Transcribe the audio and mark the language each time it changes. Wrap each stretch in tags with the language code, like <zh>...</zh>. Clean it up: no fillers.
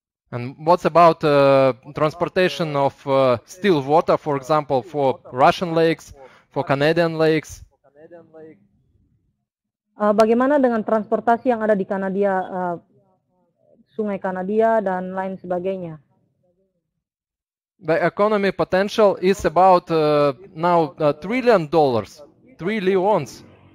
<en>And what's about transportation of still water, for example, for Russian lakes, for Canadian lakes?</en> <id>Bagaimana dengan transportasi yang ada di Kanada, Sungai Kanada dan lain sebagainya?</id> <en>The economy potential is about now trillion dollars, trillions.</en>